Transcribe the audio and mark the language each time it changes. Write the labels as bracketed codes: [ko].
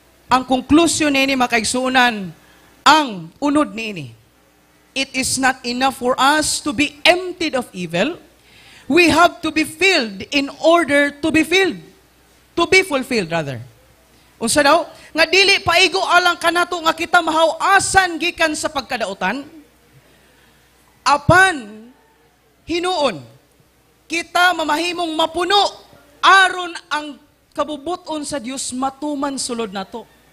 [ceb] Ang conclusion niini, makaigsuunan, ang unod niini. [en] It is not enough for us to be emptied of evil. We have to be filled in order to be filled. To be fulfilled, rather. [ceb] Unsa daw? Nga dili paigo alang kanato nga kita mahawasan gikan sa pagkadautan. Apan hinuon, kita mamahimong mapuno aron ang kabubuton sa Dios matuman sulod nato.